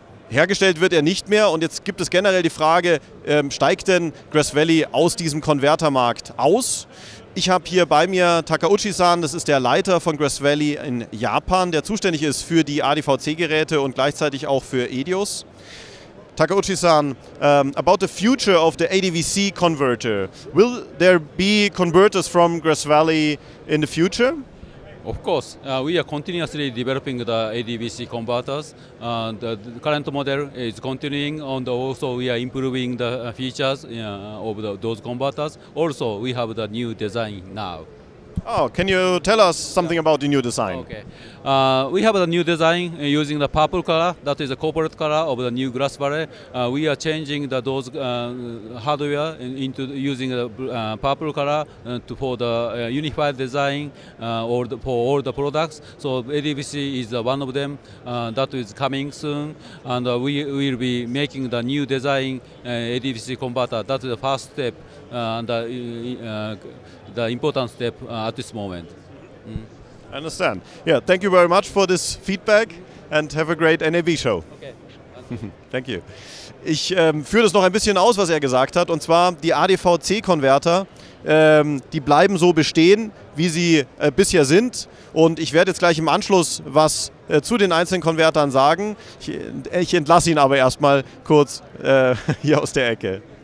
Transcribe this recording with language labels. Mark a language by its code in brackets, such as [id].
[de] Hergestellt wird er nicht mehr, und jetzt gibt es generell die Frage, steigt denn Gözbeli aus diesem Konvertermarkt aus? Ich habe hier bei mir Takauchi-san, das ist der Leiter von Gözbeli in Japan, der zuständig ist für die ADVC-Geräte und gleichzeitig auch für EDIOS. [en] Takauchi-san, about the future of the ADVC converter, will there be converters from Gözbeli in the future? Of course, we are continuously developing the ADVC converters. The current model is continuing, and also we are improving the features of those converters. Also, we have the new design now. Oh, can you tell us something about the new design? Okay. We have a new design using the purple color, that is the corporate color of the new Gözbeli. We are changing those hardware into using the purple color for the unified design for all the products. So ADVC is one of them that is coming soon. And we will be making the new design ADVC converter. That is the first step. The important step at this moment. Mm. I understand. Yeah, thank you very much for this feedback and have a great NAB show. Okay. Thank you. [de] Ich führe das noch ein bisschen aus, was er gesagt hat, und zwar die ADVC-Konverter, die bleiben so bestehen, wie sie bisher sind, und ich werde jetzt gleich im Anschluss was zu den einzelnen Konvertern sagen. Ich entlasse ihn aber erstmal kurz hier aus der Ecke.